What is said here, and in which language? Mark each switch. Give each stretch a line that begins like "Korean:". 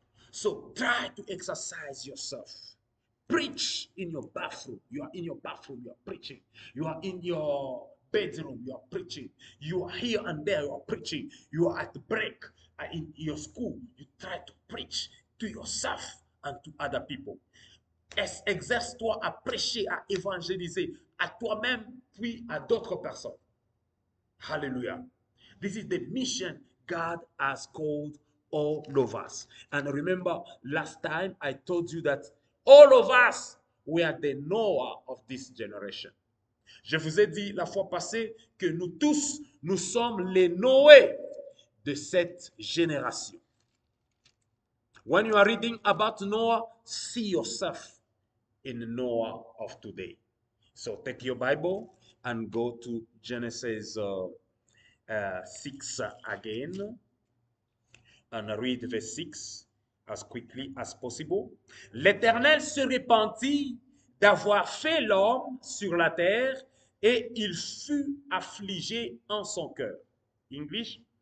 English: So try to exercise yourself. Preach in your bathroom. You are in your bathroom, you are preaching. You are in your bedroom, you are preaching. You are here and there, you are preaching. You are at the break. In your school, you try to preach to yourself and to other people.
French: Exerce-toi à prêcher, à évangéliser à toi-même, puis à d'autres personnes.
English: Hallelujah. This is the mission God has called all of us. And remember, last time I told you that all of us, we are the Noah of this generation.
French: Je vous ai dit la fois passée que nous tous, nous sommes les Noé de cette génération.
English: When you are reading about Noah, see yourself in Noah of today. So take your Bible and go to Genesis 6 again and read verse 6 as quickly as possible.
French: L'Éternel se repentit d'avoir fait l'homme sur la terre et il fut affligé en son cœur.
English: English?